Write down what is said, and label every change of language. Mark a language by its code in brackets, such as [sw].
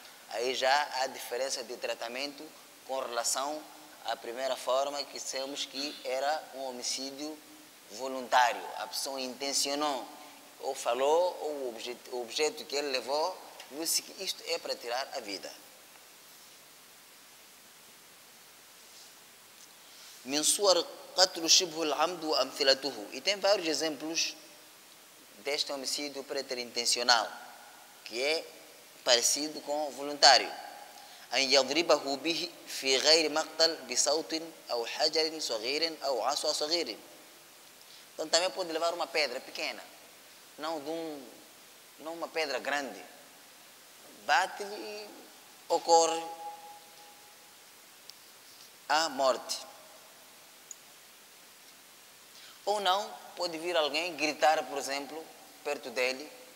[pt] Aí já há diferença de tratamento com relação à primeira forma, que dissemos que era um homicídio voluntário. A pessoa intencionou, ou falou, ou o objeto que ele levou, disse que isto é para tirar a vida. [ar] Mensuar قتل شبه العمد وأمثلته. [pt] E tem vários exemplos deste homicídio preterintencional, que é parecido com voluntário. [ar] أن يضربه به في غير مقتل بصوت أو حجر صغير أو عصا صغير. [pt] Então também pode levar uma pedra pequena, não uma pedra grande. Bate-lhe e ocorre a morte. Ou não, pode vir alguém gritar, por exemplo, perto dele.